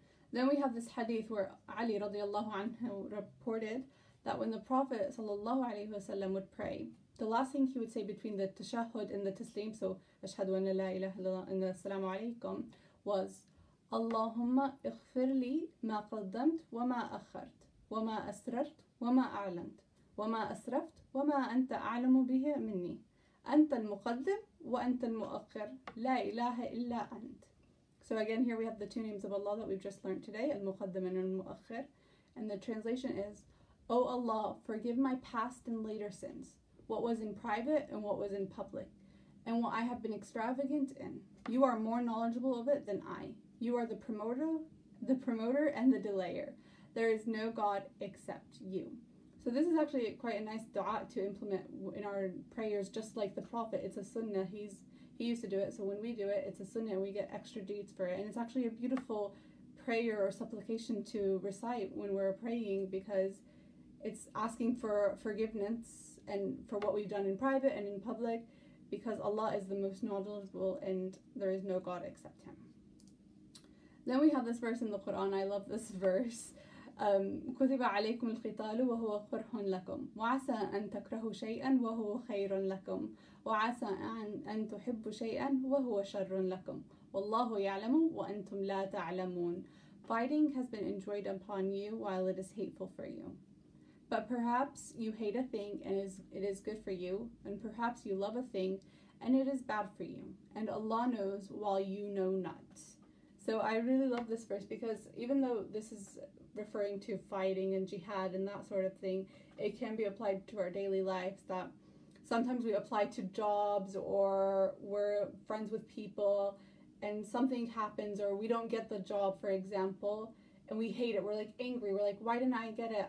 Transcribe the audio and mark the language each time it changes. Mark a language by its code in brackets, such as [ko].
[en] Then we have this hadith where Ali radiallahu anhu reported that when the Prophet sallallahu alayhi wasallam would pray, the last thing he would say between the tashahud and the taslim, so [ar] ashhadu an la ilaha illallah [en] and assalamu alaykum, was [ar] Allahumma ighfir li ma qaddamt wa ma akhart. وما أسررت وما أعلنت وما أسرفت وما أنت أعلم به مني أنت المقدم وأنت المؤخر لا إله إلا أنت. [en] So again, here we have the two names of Allah that we've just learned today, المقدم and المؤخر. And the translation is, O Allah, forgive my past and later sins, what was in private and what was in public, and what I have been extravagant in. You are more knowledgeable of it than I. You are the promoter and the delayer. There is no God except you. So this is actually quite a nice dua to implement in our prayers, just like the Prophet. It's a sunnah. He used to do it. So when we do it, it's a sunnah and we get extra deeds for it. And it's actually a beautiful prayer or supplication to recite when we're praying, because it's asking for forgiveness and for what we've done in private and in public, because Allah is the most knowledgeable and there is no God except Him. Then we have this verse in the Quran. I love this verse. [ar] كتب عليكم القتال وهو كره لكم وعسى أن تكرهوا شيئا وهو خير لكم وعسى أن تحبوا شيئا وهو شر لكم والله يعلم وأنتم لا تعلمون. [en] Fighting has been enjoined upon you while it is hateful for you. But perhaps you hate a thing and it is good for you, and perhaps you love a thing and it is bad for you. And Allah knows while you know not. So I really love this verse, because even though this is referring to fighting and jihad and that sort of thing, it can be applied to our daily lives, that sometimes we apply to jobs or we're friends with people and something happens or we don't get the job, for example, and we hate it. We're like angry. We're like, why didn't I get it?